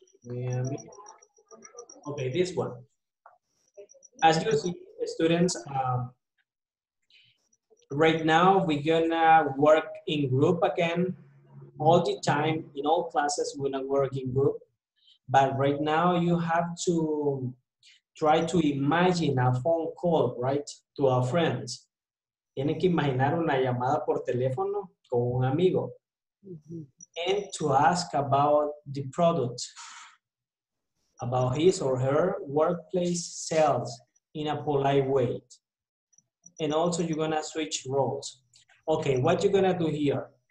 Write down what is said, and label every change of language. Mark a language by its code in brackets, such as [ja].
[en] Okay, this one. As you see, students, right now we're gonna work in group again. All the time, in all classes, we're gonna work in group. But right now you have to try to imagine a phone call, right, to our friends. [es] Tienen que imaginar una llamada por teléfono con un amigo. Mm-hmm. [en] And to ask about the product, about his or her workplace sales in a polite way. And also you're gonna switch roles. Okay, what you're gonna do here?